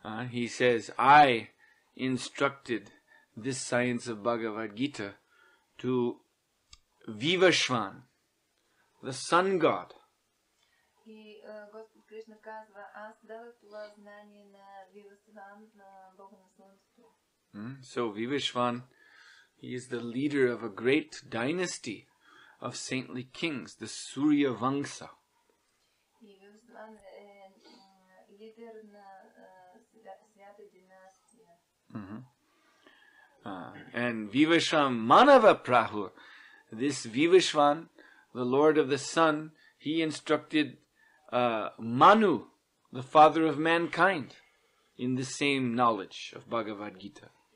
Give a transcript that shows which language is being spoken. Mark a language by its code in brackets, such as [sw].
[en] He says, "I instructed this science of Bhagavad Gita to Vivashvan, the sun god." [bg] И Господ Кришна казва, аз дадох това знание на Вивасван, на Бога на Слънцето. [en] So Вивасван, he is the leader of a great dynasty of saintly kings, the Surya Vangsa. [bg] И Вивасван е лидер на свята династия. [en] And Вивасван Манава Прахур, this Вивасван, the lord of the sun, he instructed Manu, the father of mankind, in the same knowledge of Bhagavad Gita.